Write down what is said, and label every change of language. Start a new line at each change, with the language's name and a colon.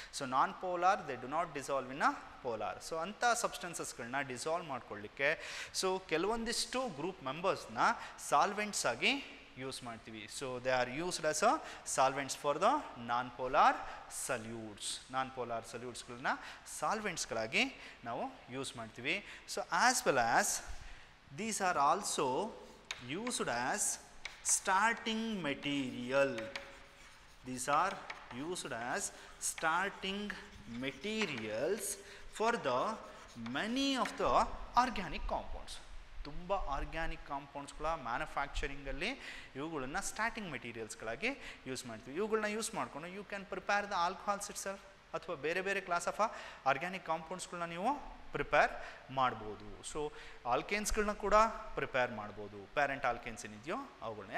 English: So non polar they do not dissolve in a polar.
Kannada: So ಅಂಥ ಸಬ್ಸ್ಟೆನ್ಸಸ್ಗಳನ್ನ dissolve ಮಾಡ್ಕೊಳ್ಳಿಕ್ಕೆ so ಕೆಲವೊಂದಿಷ್ಟು group ಮೆಂಬರ್ಸ್ನ solvents ಆಗಿ use ಮಾಡ್ತೀವಿ.
English: So they are used as a solvents for the non polar solutes.
Kannada: Non polar ಸಲ್ಯೂಟ್ಸ್ಗಳನ್ನ ಸಾಲ್ವೆಂಟ್ಸ್ಗಳಾಗಿ ನಾವು use ಮಾಡ್ತೀವಿ.
English: So as well as these are also used as starting material. These are used as starting materials for the many of the organic compounds.
Kannada: ತುಂಬಾ organic ಕಾಂಪೌಂಡ್ಸ್ಗಳ ಮ್ಯಾನುಫ್ಯಾಕ್ಚರಿಂಗಲ್ಲಿ ಇವುಗಳನ್ನು starting ಮೆಟೀರಿಯಲ್ಸ್ಗಳಾಗಿ use ಮಾಡ್ತೀವಿ. ಇವುಗಳನ್ನ use ಮಾಡಿಕೊಂಡು
English: you can prepare the alcohols itself
Kannada: ಅಥವಾ ಬೇರೆ ಬೇರೆ class of organic ಕಾಂಪೌಂಡ್ಸ್ಗಳನ್ನ ನೀವು prepare ಮಾಡ್ಬೋದು. ಸೊ ಆಲ್ಕೇನ್ಸ್ಗಳನ್ನ ಕೂಡ ಪ್ರಿಪೇರ್ ಮಾಡ್ಬೋದು, ಪ್ಯಾರೆಂಟ್ ಆಲ್ಕೇನ್ಸ್ ಏನಿದೆಯೋ ಅವುಗಳನ್ನ.